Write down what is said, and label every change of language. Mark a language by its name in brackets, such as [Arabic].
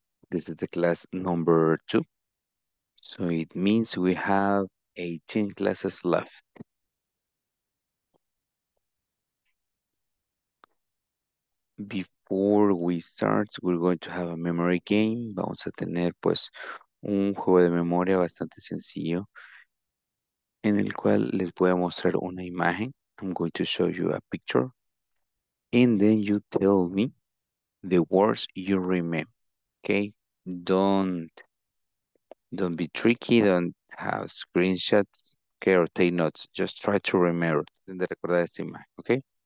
[English] This is the class number 2. So it means we have 18 classes left. Before we start, we're going to have a memory game. [Spanish] Vamos a tener, pues, un juego de memoria bastante sencillo en el cual les voy a mostrar una imagen. [English] I'm going to show you a picture. And then you tell me the words you remember. Okay? Don't be tricky. Don't have screenshots. Okay? Or take notes. Just try to remember. [Spanish] Tienen que recordar esta imagen. [English] Okay?